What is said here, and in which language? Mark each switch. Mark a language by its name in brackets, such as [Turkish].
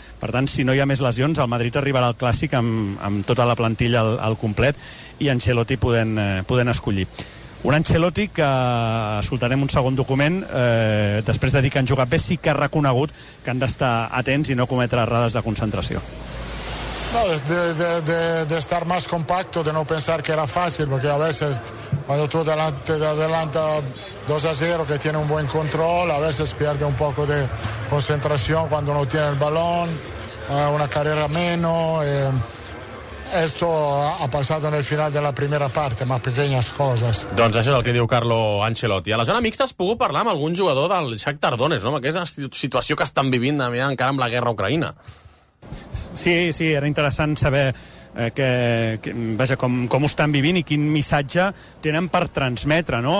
[Catalan] Per tant, si no hi ha més lesions, el Madrid arribarà al Clàssic amb tota la plantilla al complet i Ancelotti podent escollir. Un Ancelotti que soltarem un segon document després de dir que han jugat bé, sí que ha reconegut que han d'estar atents i no cometre errades de concentració. [Spanish] No, de estar más compacto, de no pensar que era fácil, porque a veces cuando tú te adelanta 2-0, que tiene un buen control, a veces pierde un poco de concentración cuando no tiene el balón, una carrera menos. Esto ha pasado en el final de la primera parte, más pequeñas cosas. [Catalan] Doncs això és el que diu Carlo Ancelotti. A la zona mixta has pogut parlar amb algun jugador del Shakhtar Donetsk, no? Aquesta situació que estan vivint encara amb la guerra ucraïna. Sí, era interessant saber com ho estan vivint i quin missatge tenen per transmetre, no?